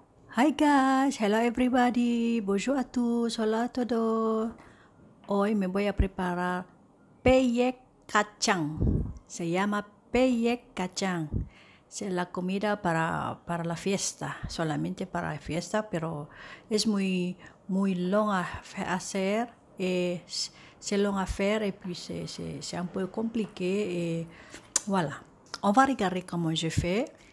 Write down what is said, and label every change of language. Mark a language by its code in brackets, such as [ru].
[en] Hi guys, hello everybody, [fr] bonjour à tous, [es] hola à todos. Hoy me voy a preparar paella kacang. Se llama paella kacang. Es la comida para la fiesta, solamente para la fiesta, pero es muy long a hacer. Es long a hacer y pues se un poco complicado. [fr] Voilà, on va regarder comment je fais.